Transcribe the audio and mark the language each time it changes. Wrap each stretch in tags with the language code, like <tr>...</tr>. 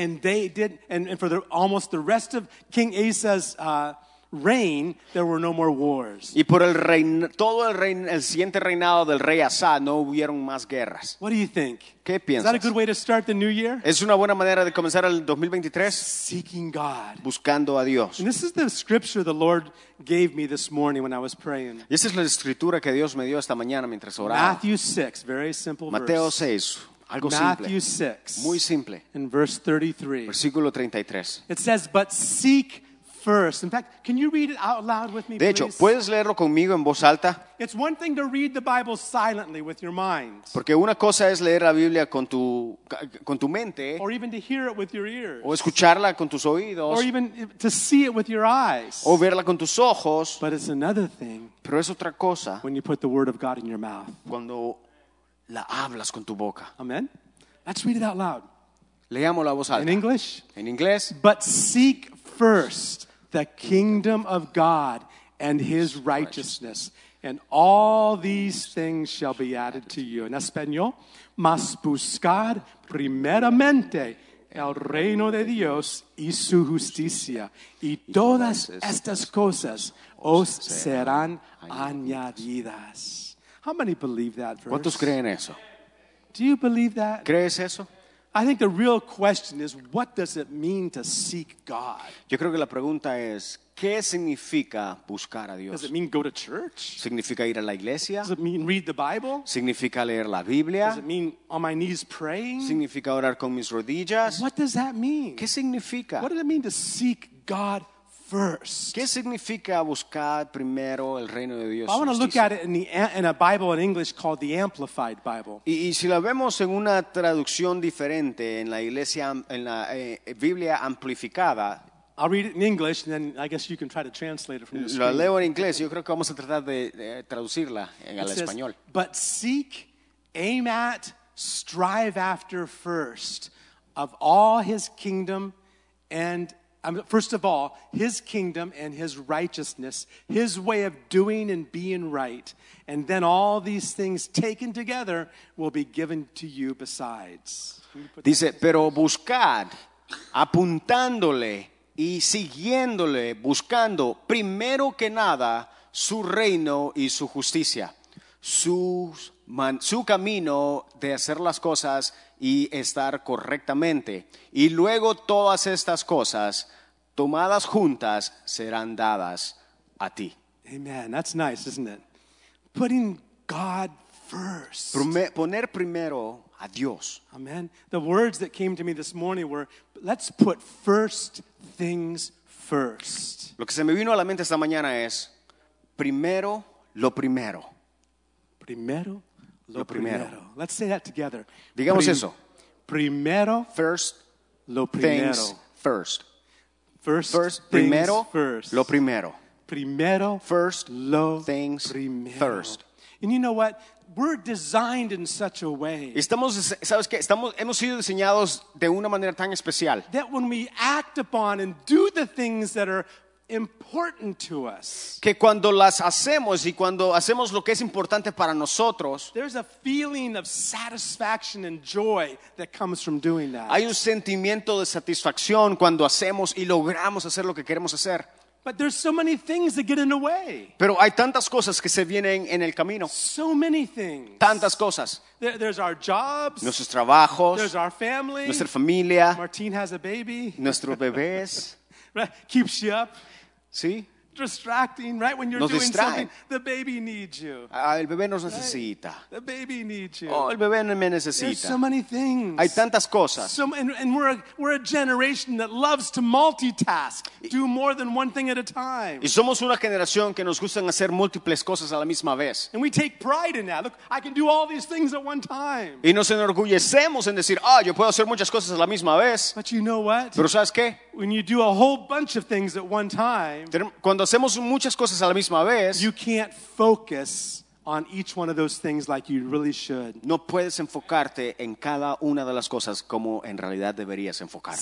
<en>And they did, and for almost the rest of King Asa's reign, there were no more wars.</en> <es>Y por el siguiente reinado del rey Asa, no hubieron más guerras.</es> <en>What do you think?</en> <es>¿Qué piensas?</es> <en>Is that a good way to start the new year?</en> <es>¿Es una buena manera de comenzar el 2023?</es> <en>Seeking God.</en> <es>Buscando a Dios.</es> <en>And this is the scripture the Lord gave me this morning when I was praying.</en> <es>Y esa es la escritura que Dios me dio esta mañana mientras oraba.</es> <en>Matthew 6, very simple verse.</en> <es>Mateo 6. Algo</es> <en>Matthew</en> <es>simple.</es> <en>6.</en> <es>Muy simple.</es> <en>In verse 33.</en> <es>Versículo 33.</es> <en>It says, "But seek first." In fact, can you read it out loud with me, please?</en> <es>De hecho, ¿puedes leerlo conmigo en voz alta?</es> <en>It's one thing to read the Bible silently with your mind.</en> <es>Porque una cosa es leer la Biblia con tu mente.</es> <en>Or even to hear it with your ears.</en> <es>O escucharla con tus oídos.</es> <en>Or even to see it with your eyes.</en> <es>O verla con tus ojos.</es> <en>But it's another thing.</en> <es>Pero es otra cosa.</es> <en>When you put the word of God in your mouth.</en> <es>Cuando la hablas con tu boca.</es> <en>Amen. Let's read it out loud.</en> <es>Leámoslo a voz alta.</es> <en>In English.</en> <es>En inglés.</es> <en>"But seek first the kingdom of God and his righteousness, and all these things shall be added to you."</en> <es>En español, mas buscad primeramente el reino de Dios y su justicia, y todas estas cosas os serán añadidas.</es> <en>How many believe that verse?</en> <es>¿Cuántos creen eso?</es> <en>Do you believe that?</en> <es>¿Crees eso?</es> <en>I think the real question is, what does it mean to seek God?</en> <es>Yo creo que la pregunta es, ¿qué significa buscar a Dios?</es> <en>Does it mean go to church?</en> <es>¿Significa ir a la iglesia?</es> <en>Does it mean read the Bible?</en> <es>¿Significa leer la Biblia?</es> <en>Does it mean on my knees praying?</en> <es>¿Significa orar con mis rodillas?</es> <en>What does that mean?</en> <es>¿Qué significa?</es> <en>What does it mean to seek God first?</en> <es>¿Qué significa buscar primero el reino de Dios?</es> <en>I want to look at it in a Bible in English called the Amplified Bible.</en> <es>Y si la vemos en una traducción diferente en la iglesia, en la Biblia amplificada.</es> <en>I'll read it in English, and then I guess you can try to translate it from the screen.</en> <es>Lo leo en inglés. Yo creo que vamos a tratar de traducirla en el español.</es> <en>But seek, aim at, strive after first of all His kingdom, and first of all His kingdom and His righteousness, His way of doing and being right, and then all these things taken together will be given to you besides.</en> <es>Dice, pero buscad, apuntándole. Y siguiéndole, buscando primero que nada su reino y su justicia, su camino de hacer las cosas y estar correctamente. Y luego todas estas cosas, tomadas juntas, serán dadas a ti.</es> <en>Amen. That's nice, isn't it? Putting God first.</en> <es>Poner primero a Dios. Amen.</es> <en>The words that came to me this morning were, let's put first things first.</en> <es>Lo que se me vino a la mente esta mañana es, primero lo primero. Primero lo primero. Primero.</es> <en>Let's say that together.</en> <es>Digamos eso. Primero.</es> <en>First.</en> <es>Lo primero.</es> <en>Things first. First. First. Things</en> <es>primero.</es> <en>First.</en> <es>Lo primero. Primero.</es> <en>First.</en> <es>Lo</es> <en>things</en> <es>primero.</es> <en>First. And you know what? We're designed in such a way.</en> <es>Estamos, ¿sabes qué? Estamos, hemos sido diseñados de una manera tan especial.</es> <en>That when we act upon and do the things that are important to us.</en> <es>Que cuando las hacemos y cuando hacemos lo que es importante para nosotros.</es> <en>There's a feeling of satisfaction and joy that comes from doing that.</en> <es>Hay un sentimiento de satisfacción cuando hacemos y logramos hacer lo que queremos hacer.</es> <en>But there's so many things that get in the way.</en> <es>Pero hay tantas cosas que se vienen en el camino.</es> <en>So many things.</en> <es>Tantas cosas.</es> <en>There's our jobs.</en> <es>Nuestros trabajos.</es> <en>There's our family.</en> <es>Nuestra familia.</es> <en>Martin has a baby.</en> <es>Nuestros bebés.</es> <en>Right? Keeps you up.</en> <es>Sí.</es> <en>Distracting, right? When you're</en> <es>nos</es> <en>doing</en> <es>distrae.</es> <en>Something, the baby needs you.</en> <es>El bebé nos necesita.</es> <en>Right? The baby needs you.</en> <es>Oh, el bebé me necesita.</es> <en>There's so many things.</en> <es>Hay tantas cosas.</es> <en>So, and we're a generation that loves to multitask, do more than one thing at a time.</en> <es>Y somos una generación que nos gustan hacer múltiples cosas a la misma vez.</es> <en>And we take pride in that. Look, I can do all these things at one time.</en> <es>Y nos enorgullecemos en decir, ah, oh, yo puedo hacer muchas cosas a la misma vez.</es> <en>But you know what?</en> <es>Pero ¿sabes qué?</es> <en>When you do a whole bunch of things at one time,</en> <es>cuando hacemos muchas cosas a la misma vez,</es> <en>you can't focus on each one of those things like you really should.</en> <es>No puedes enfocarte en cada una de las cosas como en realidad deberías enfocarte.</es>